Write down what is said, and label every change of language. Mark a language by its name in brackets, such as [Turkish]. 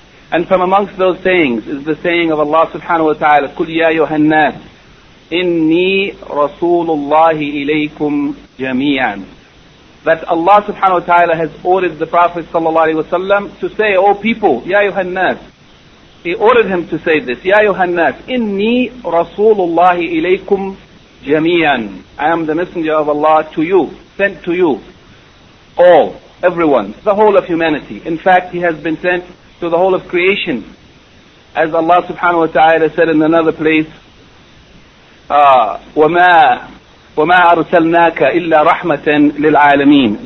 [English] And from amongst those sayings is the saying of Allah subhanahu wa ta'ala, [Arabic] قُلْ يَا أَيُّهَا النَّاسُ إِنِّي رَسُولُ اللَّهِ إِلَيْكُمْ جَمِيعًا. [English] That Allah subhanahu wa ta'ala has ordered the Prophet sallallahu alayhi wa sallam to say, O people, [Arabic] يَا أَيُّهَا النَّاسُ. [English] He ordered him to say this, [Arabic] يَا أَيُّهَا النَّاسُ إِنِّي رَسُولُ اللَّهِ إِلَيْكُمْ جَمِيعًا. [English] I am the messenger of Allah to you, sent to you. All, everyone, the whole of humanity. In fact, he has been sent to the whole of creation. As Allah subhanahu wa ta'ala said in another place, [Arabic] وَمَا أَرْسَلْنَاكَ إِلَّا رَحْمَةً لِلْعَالَمِينَ.